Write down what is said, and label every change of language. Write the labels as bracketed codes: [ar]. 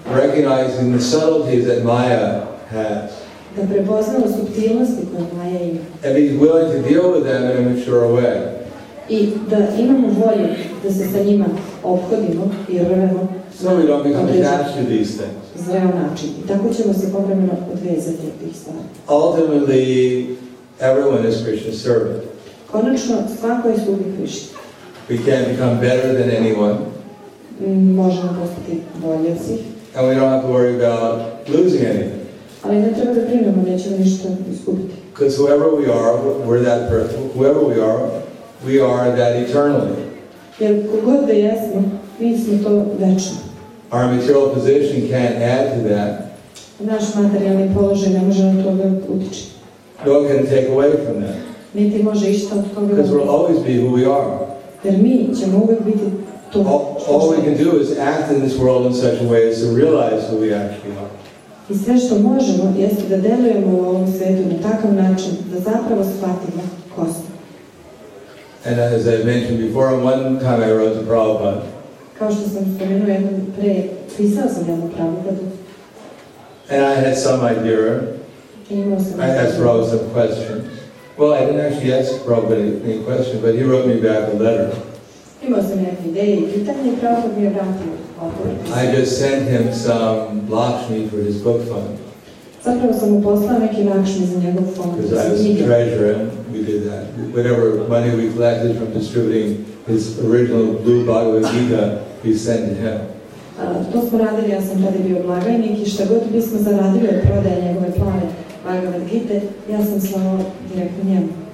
[en] Recognizing the subtleties that Maya has. [sr] Da prepoznamo subtilnosti koje Maya ima. [en] And be willing to deal with them in a mature way. [sr] I da imamo volju da se sa njima ophodimo i rvemo. [en] So we don't become attached to these things. [sr] Zreo način. I tako ćemo se povremeno odvezati od tih stvari. [en] Ultimately, everyone is Krishna's servant. [sr] Konačno, svako je slugi Krishna. [en] We can't become better than anyone. [sr] Možemo postati bolji od svih. [en] And we don't have to worry about losing anything. [sr] Ali ne treba da brinemo, nećemo ništa izgubiti. [en] Because whoever we are, we're that person. Whoever we are that eternally. [sr] Jer kogod da jesmo, mi smo to večno. [en] Our material position can't add to that. [sr] Naš materijalni položaj ne može na to da utiče. [en] No one can take away from that. [sr] Niti može išta od toga. [en] Because we'll always be who we are. [sr] Jer mi ćemo uvek biti to. [en] All we can do is act in this world in such a way as to realize who we actually are. [sr] I sve što možemo jeste da delujemo u ovom svetu na takav način da zapravo shvatimo ko smo. [en] And as I mentioned before, one time I wrote to Prabhupada. [sr] Kao što sam spomenuo jednom pre, pisao sam jednom Prabhupadu. [en] And I had some idea. I asked Prabhupada some questions. Well, I didn't actually ask Prabhupada any question, but he wrote me back a letter. [sr] Imao sam neke ideje, pitanje, Prabhupada mi je vratio odgovor. [en] I just sent him some Lakshmi for his book fund. [sr] Zapravo sam mu poslao neki Lakshmi za njegov fond. [en] Because I was a treasurer, and we did that. Whatever money we collected from distributing his original blue Bhagavad Gita, we sent to him. [sr] To smo radili, ja sam tada bio blagajnik i šta god bismo zaradili od prodaje njegove plave Bhagavad Gita, ja sam slao direktno njemu.